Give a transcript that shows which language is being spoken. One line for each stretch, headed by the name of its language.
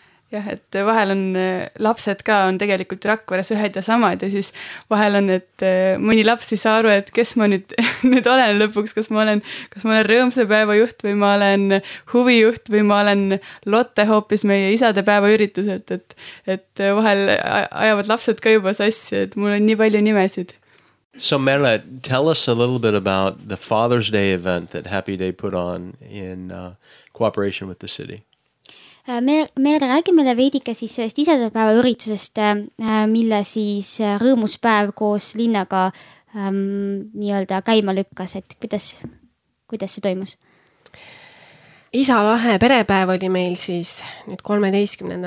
Estonian: Jah, et vahel on lapsed ka on tegelikult Rakveres ühed ja samad ja siis vahel on, et mõni laps ei saa aru, et kes ma nüüd olen lõpuks, kas ma olen rõõmsapäeva juht või ma olen huvijuht või ma olen Lotte hoopis meie isade päeva ürituselt, et vahel ajavad lapsed ka juba sassi, et mul on nii palju nimesid.
English: So Merle, tell us a little bit about the Father's Day event that Happy Day put on in cooperation with the city.
Estonian: Me räägime meile veidike siis sellest isadepäeva üritusest, mille siis rõõmuspäev koos linnaga nii-öelda käima lükkas, et kuidas see toimus? Isa lahe perepäev oli meil siis nüüd 13.